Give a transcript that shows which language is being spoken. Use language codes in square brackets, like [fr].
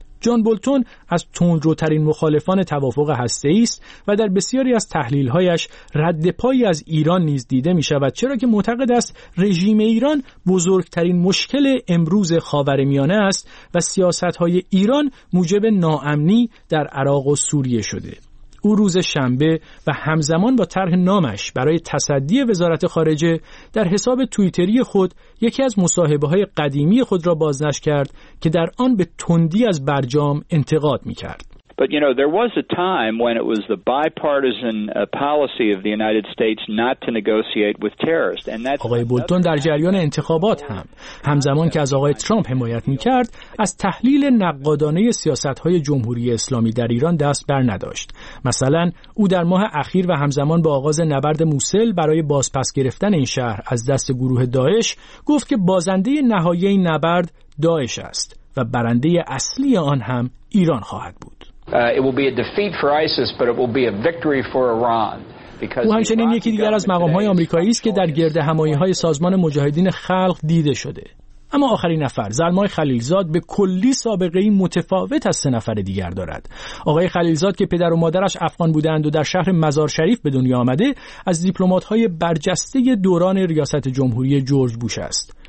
[fa] جان بولتون از تندروترین مخالفان توافق هسته‌ای است و در بسیاری از تحلیل‌هایش ردپایی از ایران نیز دیده می‌شود، چرا که معتقد است رژیم ایران بزرگترین مشکل امروز خاورمیانه است و سیاست‌های ایران موجب ناامنی در عراق و سوریه شده. او روز شنبه و همزمان با طرح نامش برای تصدی وزارت خارجه در حساب توییتری خود یکی از مصاحبه‌های قدیمی خود را بازنشر کرد که در آن به تندی از برجام انتقاد می‌کرد. [en] But you know there was a time when it was the bipartisan policy of the United States not to negotiate with terrorists and that [fa] آقای بولتون در جریان انتخابات هم همزمان که از آقای ترامپ حمایت می‌کرد از تحلیل نقادانه سیاست‌های جمهوری اسلامی در ایران دست بر نداشت. مثلا او در ماه اخیر و همزمان با آغاز نبرد موصل برای بازپس گرفتن این شهر از دست گروه داعش گفت که بازنده نهایی این نبرد داعش است و برنده اصلی آن هم ایران خواهد بود. [en] It will be a defeat for ISIS, but it will be a victory for Iran. [fa] او همچنین یکی دیگر از مقام‌های آمریکایی است که در گرد همایی‌های سازمان مجاهدین خلق دیده شده. اما آخرین نفر، زلمای خلیلزاد، به کلی سابقه‌ای متفاوت از سه نفر دیگر دارد. آقای خلیلزاد که پدر و مادرش افغان بودند و در شهر مزار شریف به دنیا آمده، از دیپلمات‌های برجسته دوران ریاست جمهوری جورج بوش است.